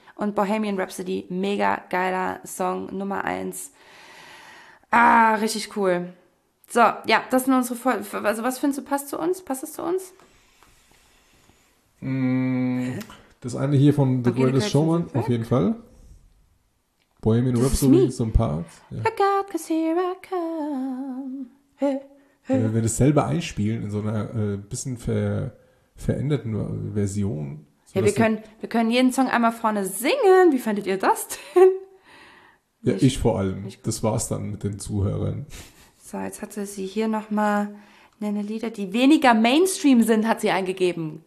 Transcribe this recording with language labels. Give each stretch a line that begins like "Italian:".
German: Und Bohemian Rhapsody. Mega geiler Song, Nummer 1. Ah, richtig cool. So, ja, das sind unsere Folgen. Also, was findest du, passt zu uns? Passt das zu uns? Das eine hier von The Greatest Showman, auf jeden Fall. Bohemian das Rhapsody, so ein Part. Ja.
English: Look out, 'cause here I come. Hey.
German: Wenn wir das selber einspielen in so einer bisschen veränderten Version. Ja, wir können jeden Song einmal vorne singen. Wie fandet ihr das denn? Ja, ich vor allem. Das war's dann mit den Zuhörern. So, jetzt hatte sie hier nochmal eine Lieder, die weniger Mainstream sind, hat sie eingegeben.